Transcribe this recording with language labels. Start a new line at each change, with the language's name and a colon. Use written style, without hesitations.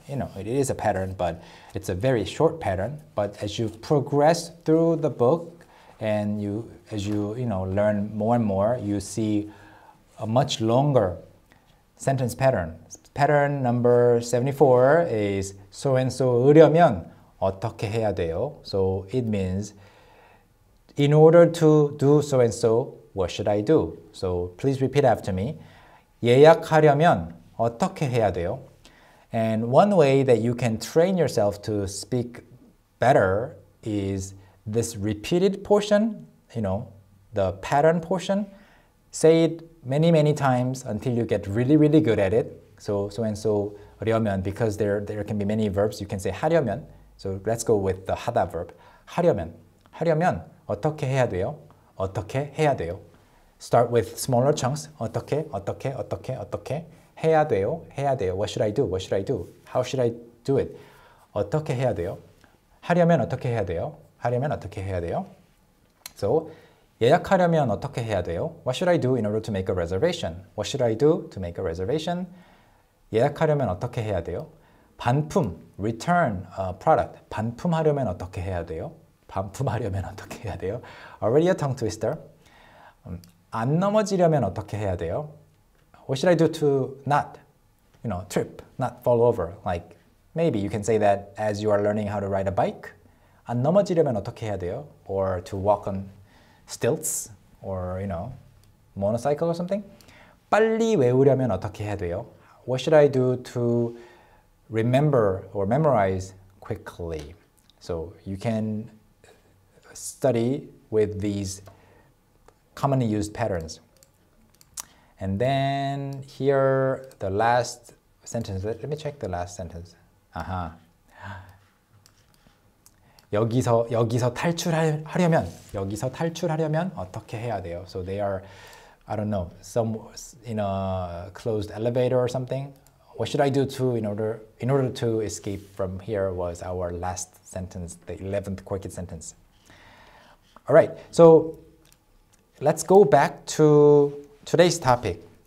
English: It is a pattern, but it's a very short pattern. But as you progress through the book, and you learn more and more, you see a much longer sentence pattern. Pattern number 74 is
Korean: 소엔소 으려면 어떻게 해야 돼요?
English: So it means, in order to do so and so, what should I do? So please repeat after me.
Korean: 예약하려면 어떻게 해야 돼요?
English: And one way that you can train yourself to speak better is this repeated portion, the pattern portion, say it many, many times until you get really, really good at it. So 하려면, because there can be many verbs, you can say 하려면. So let's go with the 하다 verb.
Korean: 하려면 어떻게 해야 돼요? 어떻게 해야 돼요?
English: Start with smaller chunks.
Korean: 어떻게, 어떻게, 어떻게, 어떻게.
English: 해야 돼요, 해야 돼요. What should I do? What should I do? How should I do it?
Korean: 어떻게 해야 돼요? 하려면 어떻게 해야 돼요? 하려면 어떻게 해야 돼요?
English: So,
Korean: 예약하려면 어떻게 해야 돼요?
English: What should I do in order to make a reservation? What should I do to make a reservation?
Korean: 예약하려면 어떻게 해야 돼요? 반품, return product. 반품하려면 어떻게 해야 돼요? 반품하려면 어떻게 해야 돼요?
English: Already a tongue twister.
Korean: 안 넘어지려면 어떻게 해야 돼요?
English: What should I do to not, trip, not fall over? Like, maybe you can say that as you are learning how to ride a bike.
Korean: 안 넘어지려면 어떻게 해야 돼요?
English: Or to walk on stilts or, you know, monocycle or something?
Korean: 빨리 외우려면 어떻게 해야 돼요?
English: What should I do to remember or memorize quickly? So you can study with these commonly used patterns. And then here, the last sentence. Let me check the last sentence. Aha.
Korean: 여기서 탈출하려면 여기서 탈출하려면 어떻게 해야 돼요?
English: So they are, I don't know, some in a closed elevator or something. What should I do to in order to escape from here was our last sentence, the 11th quirky sentence. All right. So let's go back to today's topic.